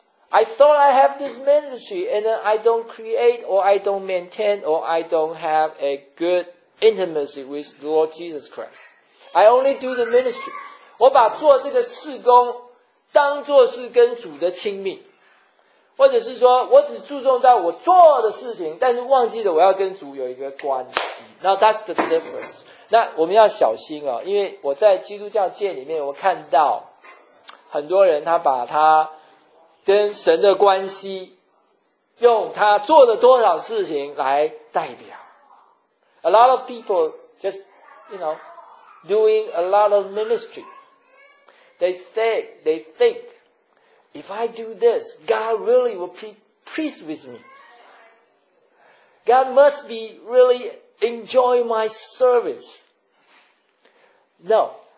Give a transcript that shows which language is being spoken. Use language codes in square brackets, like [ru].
[en] I thought I have this ministry and then I don't create or I don't maintain or I don't have a good intimacy with Lord Jesus Christ. I only do the ministry. [zh] 我把做这个事工当作是跟主的亲密，或者是说我只注重到我做的事情，但是忘记了我要跟主有一个关系。 [en] Now that's the difference. [zh] 那我们要小心哦，因为我在基督教界里面，我看到很多人他把他跟神的关系用他做了多少事情来代表。 [en] A lot of people just, you know, doing a lot of ministry. They think, if I do this, God really will be pleased with me. God must be really enjoy my service. No.